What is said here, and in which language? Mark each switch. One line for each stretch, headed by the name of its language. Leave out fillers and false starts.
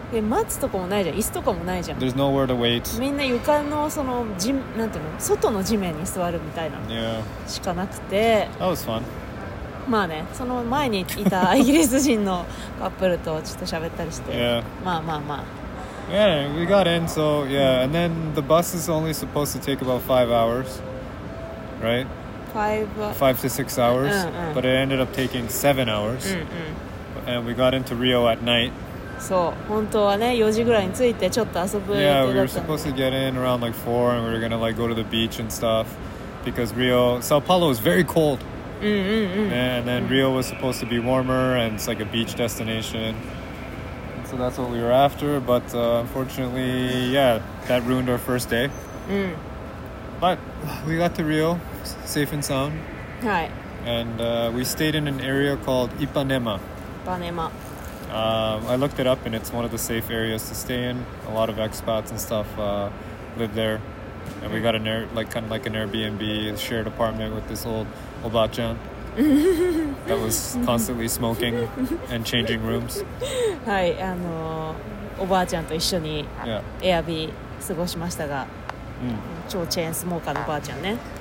Japanese: で待つとこもないじゃん、椅子とかもないじゃん。
English: There's nowhere to wait.
Japanese: みんな床のそのじなんていうの、外の地面に座るみたいな、
English: yeah.
Japanese: しかなくて
English: That was fun.
Japanese: まあね、その前にいたイギリス人のカップルとちょっと喋ったりして、
English: yeah.
Japanese: まあまあまあ
English: Yeah, we got in, so yeah, and then the bus is only supposed to take about 5 hours, right? Five to six hours, but it ended up taking 7 hours, and we got into Rio at night.
Japanese: そう、本当はね、4時ぐらいに着いてちょっと遊ぶ予定だった
English: ね。 Yeah, we were supposed to get in around like 4, and we were gonna like go to the beach and stuff, because Rio, Sao Paulo is very cold, and then Rio was supposed to be warmer, and it's like a beach destination. So that's what we were after, but unfortunately, yeah, that ruined our first day. But we got to Rio, safe and sound. Hi. And we stayed in an area called Ipanema. Ipanema. I looked it up and it's one of the safe areas to stay in. A lot of expats and stuff lived there, and we got an air, like kind of like an Airbnb, a shared apartment with this old obacha that was constantly smoking and changing rooms.
Japanese: はい、あのおばあちゃんと一緒に Airbnb 過ごしましたが、超チェーンスモーカーのおばあちゃんね。